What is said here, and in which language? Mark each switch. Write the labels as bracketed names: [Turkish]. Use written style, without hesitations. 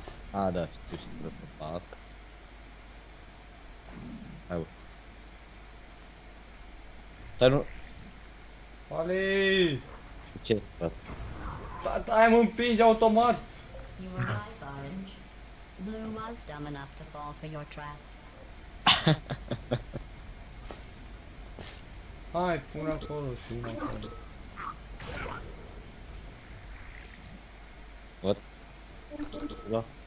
[Romanian] A, da, știu ce trebuie să fac. Hai, bă. Stai, nu... Ali! Ce, frate? Stai, mă împingi automat! [English] You are alive, Orange. Blue was dumb enough to fall for your trap. [Romanian] Hai, pune acolo și una acolo. [English] What? [Romanian] Da.